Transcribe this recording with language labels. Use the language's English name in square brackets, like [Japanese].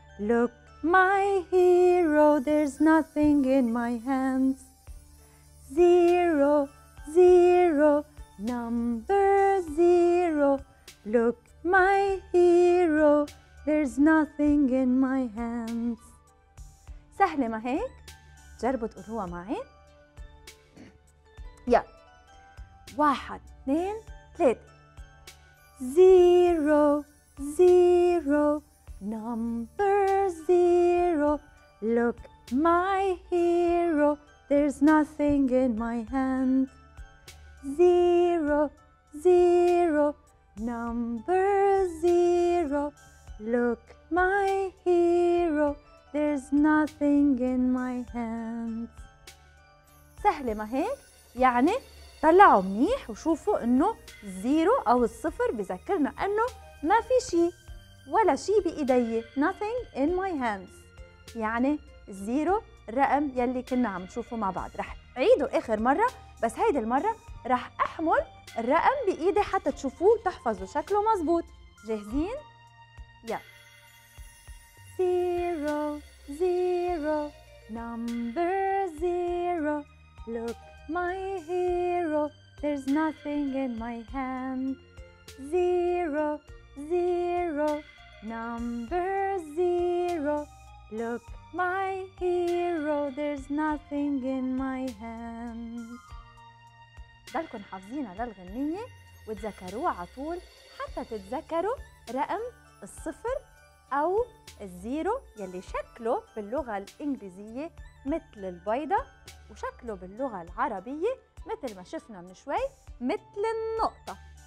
[English] Look, my hero, there's nothing in my hands. Zero, zero, number zero. Look, my hero, there's nothing in my hands. [Arabic] سهلة ما هيك؟ جربوا تقولوها معي. يلا. واحد، اثنين، ثلاثة. [English] Zero, zero, number zero. Look, my hero, there's nothing in my hand. Zero, zero, number zero. Look, my hero, there's nothing in my hand. [Arabic] سهلة ما هيك؟ يعني طلعوا منيح وشوفوا انه زيرو او الصفر بذكرنا انه ما في شيء ولا شيء بايدي. [English] Nothing in my hands. [Arabic] يعني زيرو الرقم يلي كنا عم نشوفه مع بعض. رح عيده اخر مرة، بس هيدي المرة رح احمل الرقم بايدي حتى تشوفوه تحفظوا شكله مزبوط. جاهزين؟ يلا. [English] Zero, zero, number zero. Look, my hero, there's nothing in my hand. Zero, zero, number zero. Look, my hero, there's nothing in my hand. [Arabic] ضلكن حافظينها للغنية وتذكروها عطول حتى تتذكروا رقم الصفر أو الزيرو يلي شكله باللغة الإنجليزية مثل البيضة وشكله باللغة العربية مثل ما شفنا من شوي مثل النقطة.